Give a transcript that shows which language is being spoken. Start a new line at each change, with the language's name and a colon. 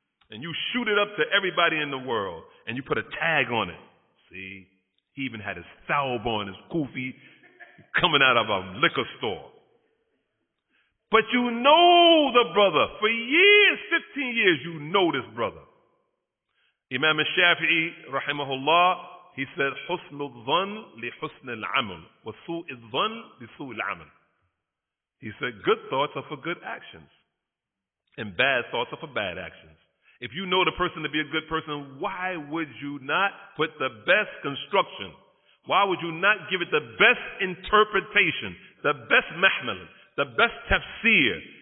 English: And you shoot it up to everybody in the world and you put a tag on it. See, he even had his thaub on, his goofy, coming out of a liquor store. But you know the brother. For years, 15 years, you know this brother. Imam al-Shafi'i, rahimahullah, he said,
Arabic: حُسْنُ الظَّنْ لِحُسْنِ الْعَمَلِ وَسُوءِ الظَّنْ لِسُوءِ الْعَمَلِ.
English: He said, good thoughts are for good actions, and bad thoughts are for bad actions. If you know the person to be a good person, why would you not put the best construction? Why would you not give it the best interpretation, the best mahmal, the best tafsir?